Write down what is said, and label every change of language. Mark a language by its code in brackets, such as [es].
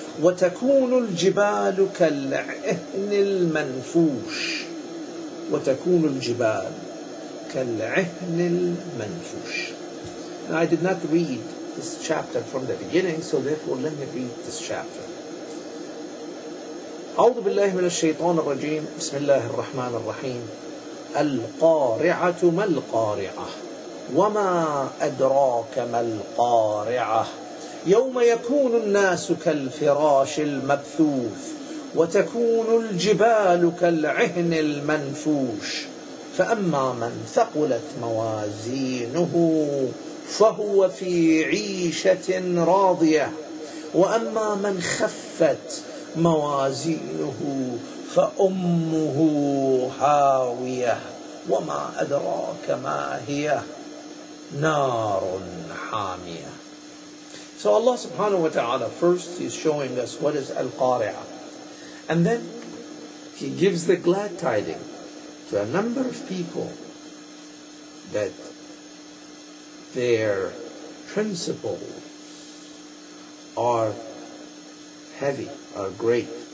[ar] وَتَكُونُ الْجِبَالُ كَالْعِهْنِ الْمَنْفُوشِ وَتَكُونُ الْجِبَالُ كَالْعِهْنِ الْمَنْفُوشِ. [en] And I did not read this chapter from the beginning, so therefore let me read this chapter. [ar] أعوذ بالله من الشيطان الرجيم بسم الله الرحمن الرحيم القارعة ما القارعة وما أدراك ما القارعة يوم يكون الناس كالفراش المبثوث وتكون الجبال كالعهن المنفوش فأما من ثقلت موازينه فهو في عيشة راضية وأما من خفت موازينه فأمه هاوية وما أدراك ما هي نار حامية. [en] So Allah subhanahu wa ta'ala, first He's showing us what is Al-Qari'ah. And then He gives the glad tidings to a number of people that their principles are heavy, are great.